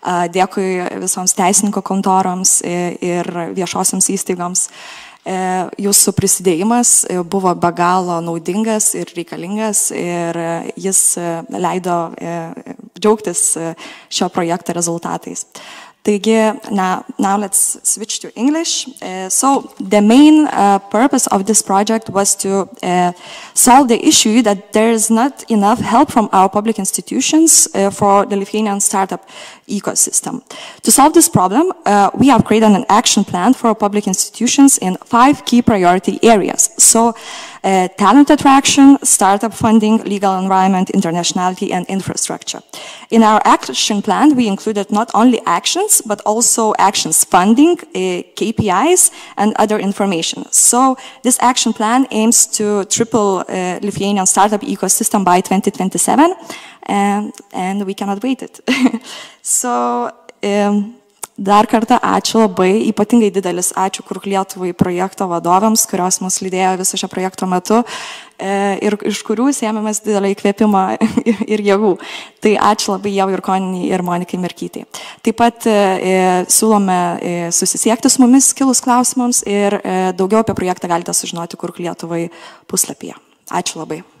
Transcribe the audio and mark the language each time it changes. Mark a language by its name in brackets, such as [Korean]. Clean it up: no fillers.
[Lithuanian] Dėkui visoms teisininko kontoroms ir viešosioms įstaigoms. Jūsų prisidėjimas buvo be galo naudingas ir reikalingas ir jis leido džiaugtis šio projekto rezultatais. [English] Taigi, now let's switch to English. So the main purpose of this project was to solve the issue that there is not enough help from our public institutions for the Lithuanian startup ecosystem. To solve this problem, we have created an action plan for public institutions in five key priority areas. So talent attraction, startup funding, legal environment, internationality, and infrastructure. In our action plan, we included not only actions, but also actions funding, KPIs, and other information. So this action plan aims to triple Lithuanian startup ecosystem by 2027, and we cannot wait it. [Lithuanian] So, dar kartą ačiū labai, ypatingai didelis ačiū Kurk Lietuvai projekto vadovams, kurios mus lydėjo visą šią projekto metu ir iš kurių sėmėmės didelį įkvėpimą ir jėgų. Tai ačiū labai jau ir Koniniai ir Monikai Merkytai. Taip pat siūlome susisiekti su mumis kilus klausimams ir daugiau apie projektą galite sužinoti Kurk Lietuvai puslapyje. Ačiū labai.